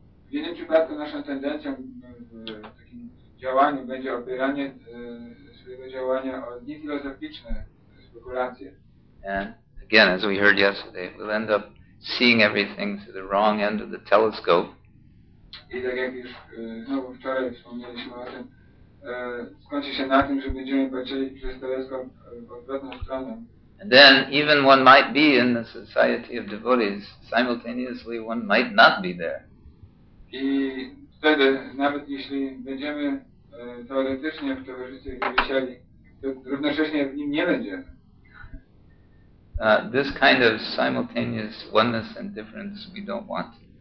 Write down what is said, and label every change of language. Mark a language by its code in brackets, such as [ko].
[pl] W innym przypadku naszą tendencją w takim działaniu będzie opieranie swojego działania o niefilozoficzne spekulacje. [en] Again, as we heard yesterday, we'll end up seeing everything through the wrong end of the telescope. [pl] I tak jak już znowu wczoraj wspomnieliśmy o tym, skończy się na tym, że będziemy patrzyli przez teleskop w odwrotną stronę. [en] And then, even one might be in the society of devotees, simultaneously one might not be there. [pl] I wtedy, nawet jeśli będziemy teoretycznie w towarzystwie wielbicieli, to równocześnie w nim nie będziemy. [en] This kind of simultaneous oneness and difference we don't want.